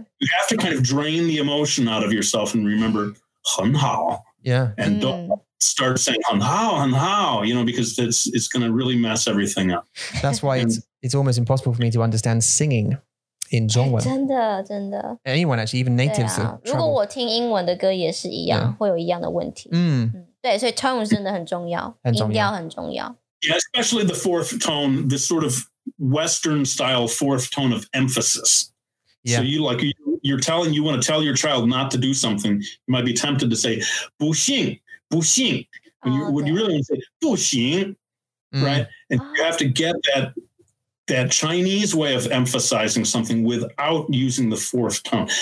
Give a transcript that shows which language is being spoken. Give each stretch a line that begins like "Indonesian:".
English: you have to kind of drain the emotion out of yourself and remember, hun hao. Yeah. And don't start saying hun hao, you know, because it's going to really mess everything up. That's why it's almost impossible for me to understand singing in Zhongwen.
Chinese: 真的.
English: Anyone, actually, even natives.
Chinese: 如果我听英文的歌也是一样,会有一样的问题. Mm. 对,所以tone真的很重要,音调很重要。
English: Yeah, especially the fourth tone, this sort of Western style fourth tone of emphasis. Yeah. So you want to tell your child not to do something, you might be tempted to say, Buxing, Buxing. When you really want to say, Buxing, right? And you have to get that Chinese way of emphasizing something without using the fourth tone.